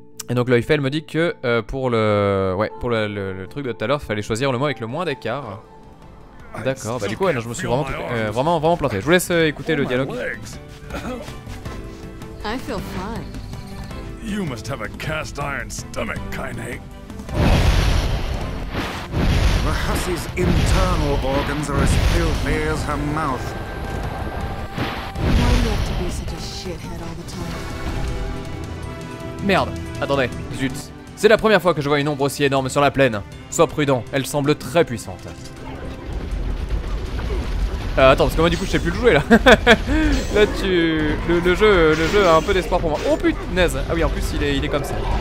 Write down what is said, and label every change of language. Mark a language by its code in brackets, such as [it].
[fr] Et donc, l'Eiffel me dit que pour le truc de tout à l'heure, il fallait choisir le mot avec le moins d'écart. D'accord, bah du coup, ouais, non, je me suis vraiment, vraiment, vraiment planté. Je vous laisse écouter le dialogue. [en] I feel fine. You must have a cast iron stomach, Kainé. The hussy's internal organs are as filthy as her mouth. Why do you have to be such a shithead all the time? [fr] Merde, attendez, zut. C'est la première fois que je vois une ombre aussi énorme sur la plaine. Sois prudent, elle semble très puissante. Attends, parce que moi du coup je sais plus le jouer là. Là tu... Le jeu a un peu d'espoir pour moi. Oh putain. Ah oui, en plus il est comme ça.